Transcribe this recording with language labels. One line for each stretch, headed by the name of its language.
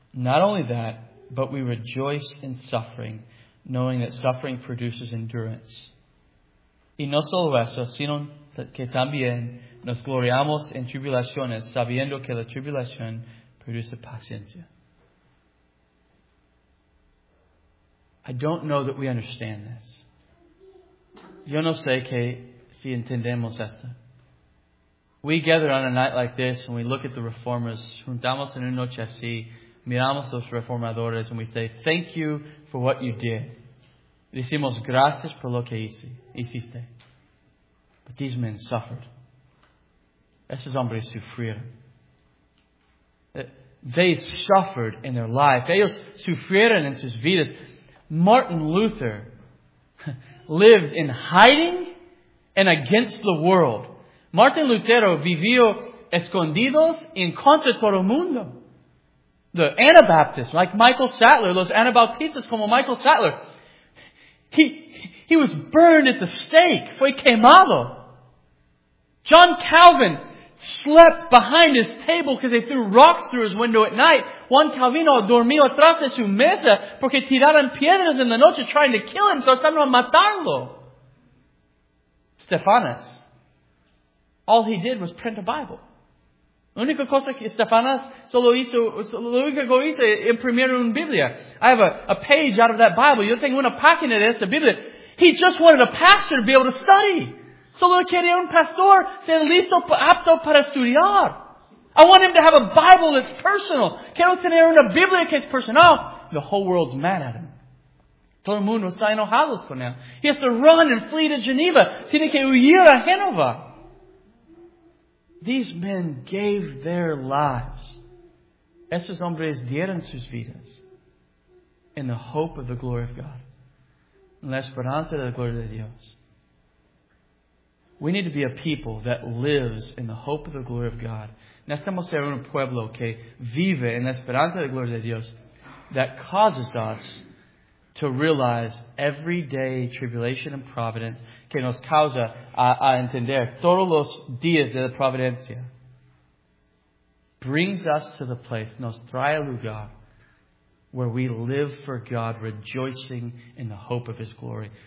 English: Not only that, but we rejoice in suffering, knowing that suffering produces endurance.
Spanish: Y no solo eso, sino que también nos gloriamos en tribulaciones, sabiendo que la tribulación produce paciencia.
English: I don't know that we understand this.
Spanish: Yo no sé que si entendemos esto.
English: We gather on a night like this and we look at the reformers,
Spanish: juntamos en una noche así, miramos los reformadores
English: and we say, thank you for what you did.
Spanish: Decimos gracias por lo que hiciste.
English: But these men suffered.
Spanish: Esos hombres sufrieron.
English: They suffered in their life.
Spanish: Ellos sufrieron en sus vidas.
English: Martin Luther lived in hiding and against the world.
Spanish: Martin Lutero vivió escondidos en contra todo el mundo.
English: The Anabaptists, like Michael Sattler,
Spanish: los Anabautistas como
English: Michael Sattler. He was burned at the stake.
Spanish: Fue quemado.
English: John Calvin slept behind his table because they threw rocks through his window at night.
Spanish: Juan Calvino dormía atrás de su mesa porque tiraron piedras en la noche
English: trying to kill him,
Spanish: tratando de matarlo. Stefanas.
English: All he did was print a Bible.
Spanish: La única cosa que Stefanas solo hizo imprimir una Biblia.
English: I have a page out of that Bible.
Spanish: Yo tengo una página de esta Biblia.
English: He just wanted a pastor to be able to study.
Spanish: Solo quería un pastor ser listo, apto para estudiar.
English: I want him to have a Bible that's personal.
Spanish: Quiero tener una Biblia que es personal.
English: The whole world's mad at him.
Spanish: Todo el mundo está enojado con él.
English: He has to run and flee to Geneva.
Spanish: Tiene que huir a Génova.
English: These men gave their lives.
Spanish: Esos hombres dieron sus vidas
English: in the hope of the glory of God.
Spanish: En la esperanza de la gloria de Dios.
English: We need to be a people that lives in the hope of the glory of God.
Spanish: Necesitamos ser un pueblo que vive en la esperanza de la gloria de Dios
English: that causes us to realize everyday tribulation and providence
Spanish: que nos causa a entender todos los días de la providencia
English: brings us to the place,
Spanish: nos trae al lugar,
English: where we live for God, rejoicing in the hope of His glory.